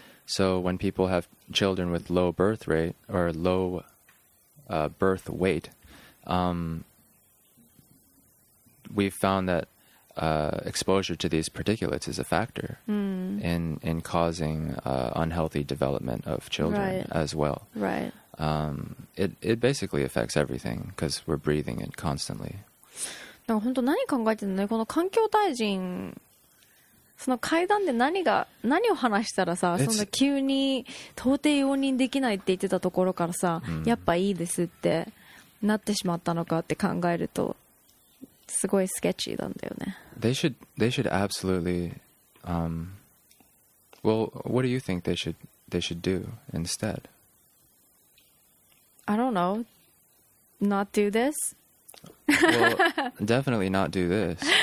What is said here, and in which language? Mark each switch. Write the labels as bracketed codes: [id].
[en] So when people have children with low birth rate or low birth weight, we've found that exposure to these particulates is a factor in causing unhealthy development of children as well. Right. It basically affects everything because we're breathing it constantly. [ja] 本当何考えてるのね、この環境大臣、その会談で何を話したらさ、そんな急に到底容認できないって言ってたところからさ、やっぱいいですってなってしまったのかって考えるとすごいスケッチーなんだよね。 [en] They should absolutely well, what do you think they should do instead? I don't know. Not do this? Well, definitely not do this.